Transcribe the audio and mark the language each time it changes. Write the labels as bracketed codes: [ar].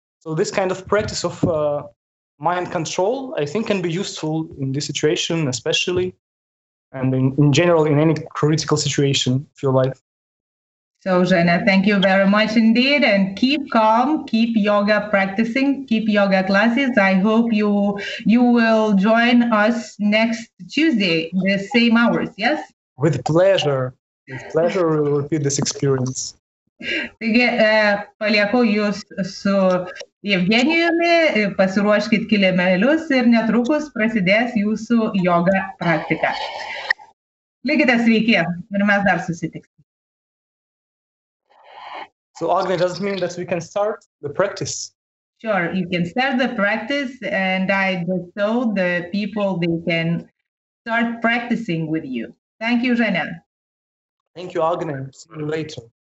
[en] So this kind of practice of mind control, I think, can be useful in this situation, especially, and in general, in any critical situation of your life. So, Zhenya, thank you very much indeed. And keep calm, keep yoga practicing, keep yoga classes. I hope you will join us next Tuesday, the same hours, yes? With pleasure. With pleasure, we will repeat this experience. [lt] Taigi, palieku jūs su Evgenijumi, pasiruoškit kilimėlius ir netrukus prasidės jūsų joga praktika. Likite sveiki ir mes dar susitiksime. [en] So, Agne, does it mean that we can start the practice? Sure, you can start the practice and I just told the people they can start practicing with you. Thank you, Zhenya. Thank you, Agne. See you later.